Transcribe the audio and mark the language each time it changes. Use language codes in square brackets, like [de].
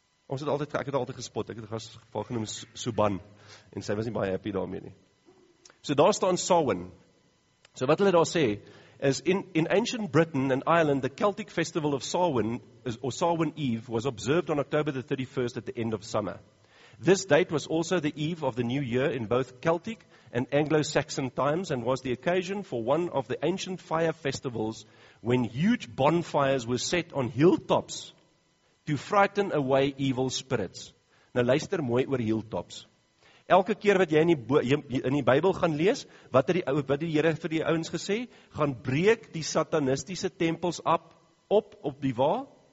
[af] Ek het altyd gespot, ek het haar geval genoem Siobhan, en sy was nie baie happy daarmee nie. So daar staan Samhain. So wat hulle daar sê, is [en] in ancient Britain and Ireland, the Celtic festival of Samhain, or Samhain Eve, was observed on October the 31st at the end of summer. This date was also the eve of the new year in both Celtic and Anglo-Saxon times and was the occasion for one of the ancient fire festivals when huge bonfires were set on hilltops to frighten away evil spirits. [af] Nou luister mooi oor hilltops. Elke keer wat jy in die Bybel gaan lees, wat die Here vir die ouens gesê, gaan breek die satanistiese tempels op die waar?